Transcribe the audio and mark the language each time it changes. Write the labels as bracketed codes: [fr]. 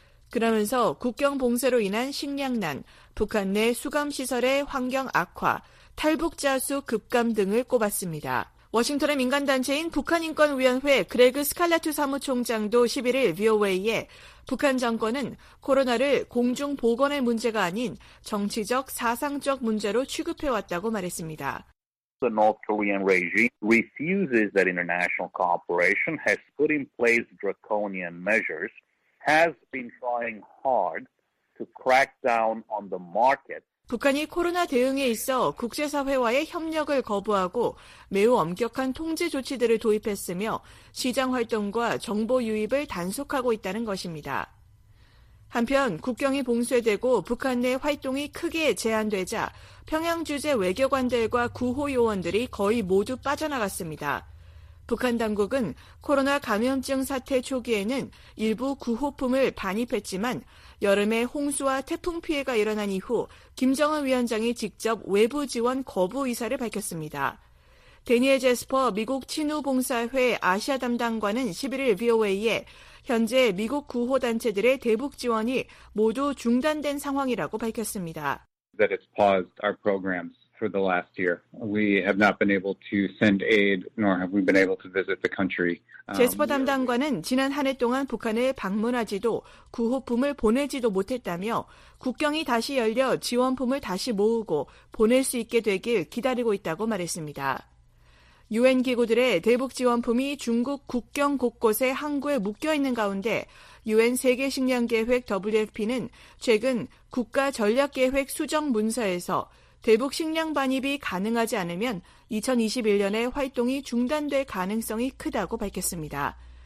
[ko] 그러면서 국경 봉쇄로 인한 식량난, 북한 내 수감시설의 환경 악화, 탈북자 수 급감 등을 꼽았습니다. 워싱턴의 민간단체인 북한인권위원회 그레그 스칼라투 사무총장도 11일 VOA에 북한 정권은 코로나를 공중보건의 문제가 아닌 정치적, 사상적 문제로 취급해왔다고 말했습니다. [en] The North Korean regime refuses that international cooperation, has put in place draconian measures, has been trying hard to crack down on the market. [ko] 북한이 코로나 대응에 있어 국제사회와의 협력을 거부하고 매우 엄격한 통제 조치들을 도입했으며 시장 활동과 정보 유입을 단속하고 있다는 것입니다. 한편 국경이 봉쇄되고 북한 내 활동이 크게 제한되자 평양 주재 외교관들과 구호 요원들이 거의 모두 빠져나갔습니다. 북한 당국은 코로나 감염증 사태 초기에는 일부 구호품을 반입했지만 여름에 홍수와 태풍 피해가 일어난 이후 김정은 위원장이 직접 외부 지원 거부 의사를 밝혔습니다. 데니엘 제스퍼 미국 친우봉사회 아시아 담당관은 11일 VOA에 현재 미국 구호단체들의 대북 지원이 모두 중단된 상황이라고 밝혔습니다. [en] That it's paused our programs for the last year. We have not been able to send aid, nor have we been able to visit the country. [ko] 제스퍼 담당관은 지난 한 해 동안 북한을 방문하지도 구호품을 보내지도 못했다며 국경이 다시 열려 지원품을 다시 모으고 보낼 수 있게 되길 기다리고 있다고 말했습니다. 유엔 기구들의 대북 지원품이 중국 국경 곳곳에 항구에 묶여 있는 가운데 유엔 세계 식량 계획 WFP는 최근 국가 전략 계획 수정 문서에서 대북 식량 반입이 가능하지 않으면 2021년에 활동이 중단될 가능성이 크다고 밝혔습니다.